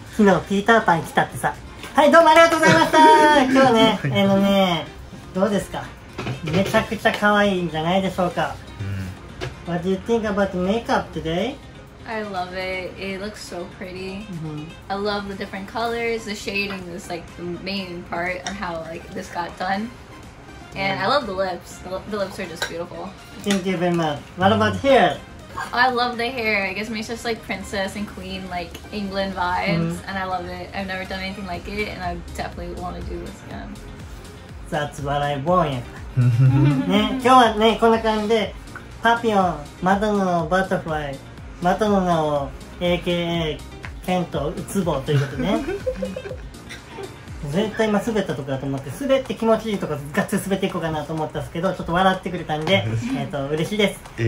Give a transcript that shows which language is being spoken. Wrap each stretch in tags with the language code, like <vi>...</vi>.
<ja>昨日ピーターパン来たってさ。はい、どうもありがとうございました。今日ね、どうですか、めちゃくちゃ可愛いんじゃないでしょうか。</ja> <en>What do you think about the makeup today? I love it. It looks so pretty. Mm-hmm. I love the different colors. The shading is like the main part of how like this got done. And I love the lips. The lips are just beautiful. Thank you very much. What about hair? I love the hair. It gives me just like princess and queen, like England vibes,、mm-hmm. and I love it. I've never done anything like it, and I definitely want to do this again. That's what I want.</en> <ja>ね、今日はね、こんな感じでパピオン、マトノのバタフライ、マトノの AKA ケントウツボということね。絶対今滑ったとこだと思って、滑って気持ちいいとこガッツリ滑っていこうかなと思ったんですけど、ちょっと笑ってくれたんで、嬉しいです。</ja>